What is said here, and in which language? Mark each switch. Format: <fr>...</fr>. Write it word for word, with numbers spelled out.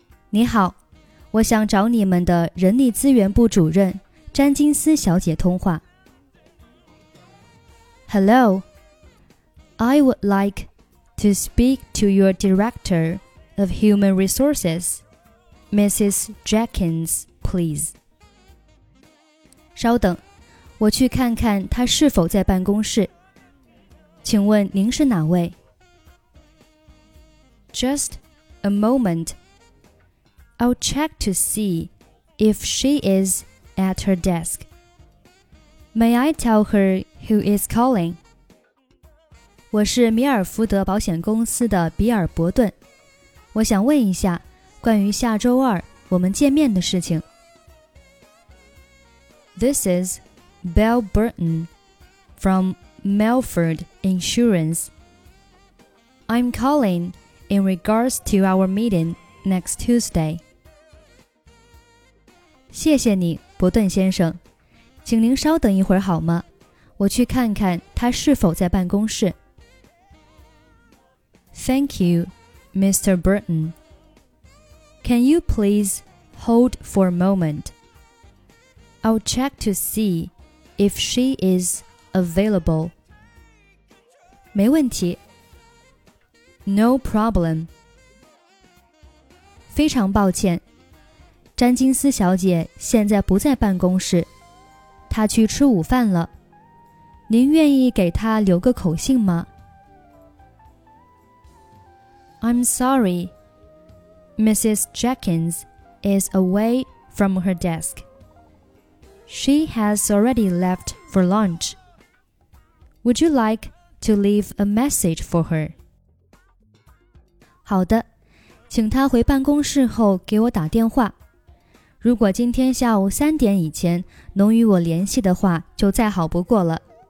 <zh>你好，我想找你们的人力资源部主任詹金斯小姐通话。</zh> <en>Hello. I would like to speak to your Director of Human Resources, Missus Jenkins, please.</en> <zh>稍等，我去看看她是否在办公室。请问您是哪位？</zh> <en>Just a moment. I'll check to see if she is at her desk. May I tell her who is calling?</en> <zh>我是米尔福德保险公司的比尔伯顿，我想问一下关于下周二我们见面的事情。</zh> <en>This is Belle Burton from Melford Insurance. I'm calling in regards to our meeting next Tuesday.</en> <zh>谢谢你，伯顿先生，请您稍等一会儿好吗？我去看看他是否在办公室。</zh> <en>Thank you, Mister Burton. Can you please hold for a moment? I'll check to see if she is available.</en> <zh>没问题。</zh> <en>No problem.</en> <zh>非常抱歉，詹金斯小姐现在不在办公室，她去吃午饭了。您愿意给她留个口信吗？</zh> <en>I'm sorry, Missus Jenkins is away from her desk. She has already left for lunch. Would you like to leave a message for her?</en> <zh>好的，请她回办公室后给我打电话。如果今天下午三点以前能与我联系的话，就再好不过了。</zh>